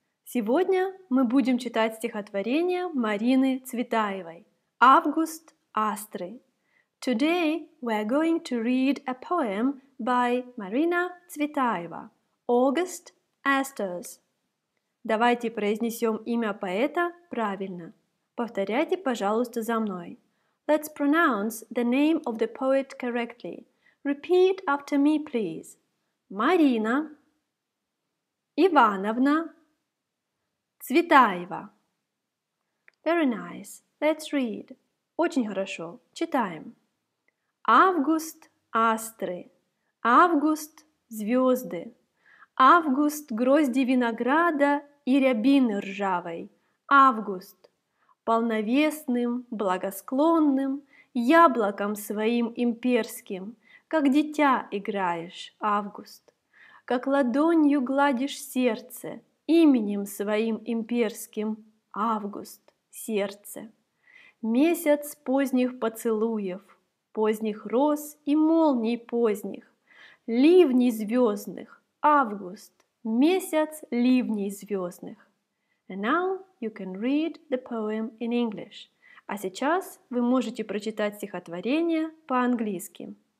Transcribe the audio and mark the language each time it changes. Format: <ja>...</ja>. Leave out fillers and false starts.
<ru>Сегодня мы будем читать стихотворение Марины Цветаевой «Август астры».</ru> <en>Today we are going to read a poem by Marina Tsvetaeva «August asters».</en> <ru>Давайте произнесем имя поэта правильно. Повторяйте, пожалуйста, за мной.</ru> <en>Let's pronounce the name of the poet correctly. Repeat after me, please.</en> <ru>Марина Ивановна Цветаева.</ru> <en>Very nice. Let's read.</en> <ru>Очень хорошо. Читаем. Август астры. Август звезды. Август грозди винограда и рябины ржавой. Август полновесным, благосклонным, яблоком своим имперским, как дитя играешь, Август, как ладонью гладишь сердце, именем своим имперским, Август, сердце. Месяц поздних поцелуев, поздних роз и молний поздних, ливней звездных, Август, месяц ливней звездных.</ru> <en>And now you can read the poem in English.</en> <ru>А сейчас вы можете прочитать стихотворение по-английски.</ru>